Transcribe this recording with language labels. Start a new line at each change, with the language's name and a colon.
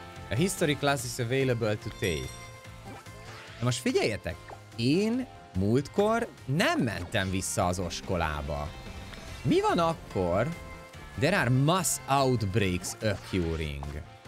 English: A history class is available to take.
Hungarian: Na most figyeljetek, én múltkor nem mentem vissza az oskolába. Mi van akkor?
English: There are mass outbreaks occurring.